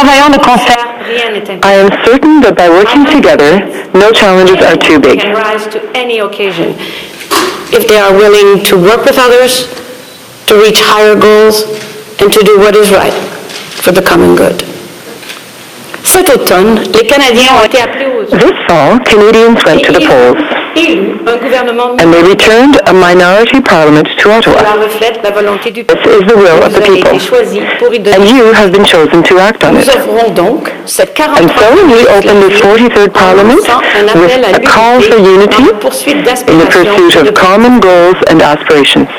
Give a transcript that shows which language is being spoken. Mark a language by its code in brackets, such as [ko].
[en] I am certain that by working together, no challenges are too big. Can rise to any occasion. If they are willing to work with others, to reach higher goals, and to do what is right for the common good. [fr] Cet automne, les Canadiens ont été appelés aux urnes. [en] This fall, Canadians went to the polls, and they returned a minority parliament to Ottawa. This is the will of the people, and you have been chosen to act on it. And so we open this 43rd parliament with a call for unity in the pursuit of common goals and aspirations.